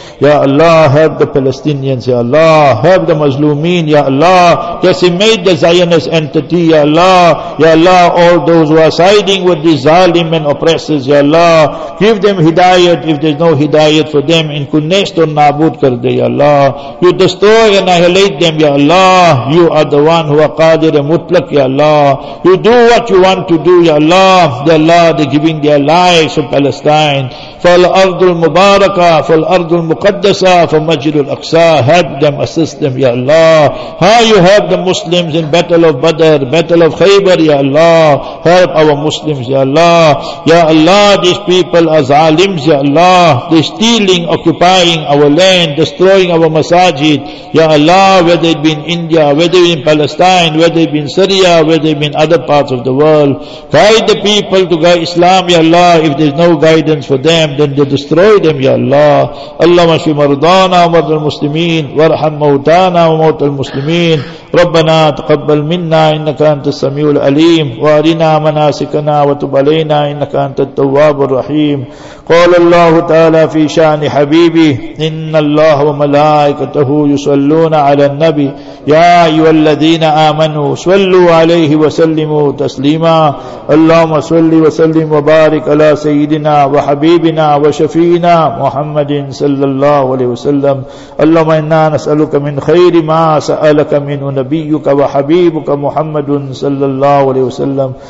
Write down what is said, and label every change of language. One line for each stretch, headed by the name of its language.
English: يا الله help the Palestinians يا الله help the مظلومين يا الله decimate the Zionist entity يا الله يا الله all those who are siding with these zalim and oppressors يا الله give them hidayat if there's no hidayat for them in kunest or
Urdu: nabud kar de
English: يا الله you destroy and annihilate them يا الله you are the one who are qadir mutlak يا الله you do what you want to do يا الله يا الله they're giving their lives for Palestine for
Arabic: الأرض المباركة في الأرض المقدسة في مسجد الأقصى.
English: Help them, assist them, Ya Allah. How you help the Muslims in Battle of Badr, Battle of Khaybar, Ya Allah. Help our Muslims, Ya Allah. Ya Allah, these people are zalims, Ya Allah. They're stealing, occupying our land, destroying our masajid. Ya Allah, whether it be in India, whether it be in Palestine, whether it be in Syria, whether it be in other parts of the world. Guide the people to guide Islam, Ya Allah. If there's no guidance for them, then they destroy them, Ya Allah.
Arabic: Allah mashfi maradana wa المسلمين وارحم موتانا وموت المسلمين ربنا تقبل منا إنك أنت السميع العليم وارنا مناسكنا وتب علينا إنك أنت التواب الرحيم قال الله تعالى في شأن حبيبي إن الله وملائكته يصلون على النبي يا أيها الذين آمنوا صلوا عليه وسلموا تسليما اللهم صل وسلم وبارك على سيدنا وحبيبنا وشفينا محمد صلى الله عليه وسلم اللهم إنا نسألك من خير ما سألك منه نبيك وحبيبك محمد صلى الله عليه وسلم